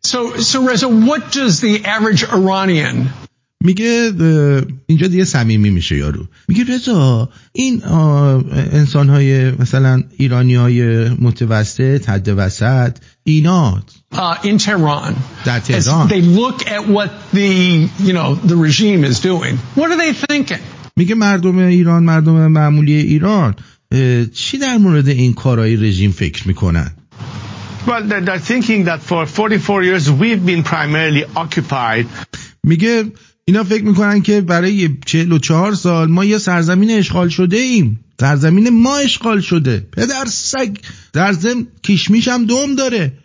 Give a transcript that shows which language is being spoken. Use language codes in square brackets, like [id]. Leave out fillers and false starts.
[en] So Reza, what does the average Iranian... [fa] میگه اینجا دیگه صمیمی میشه یارو، میگه رضا این انسان های مثلا ایرانی های متوسط حد وسط اینا [en] in Tehran, [fa] در تهران [en] they look at what the you know the regime is doing, what are they thinking. [fa] میگه مردم ایران، مردم معمولی ایران چی در مورد این کارهای رژیم فکر میکنن؟ [en] Well, they're thinking that for 44 years we've been primarily occupied. [fa] میگه اینا فکر میکنن که برای 44 سال ما یه سرزمین اشغال شده ایم. سرزمین ما اشغال شده. پدر سگ در زم کشمیش هم دوم داره.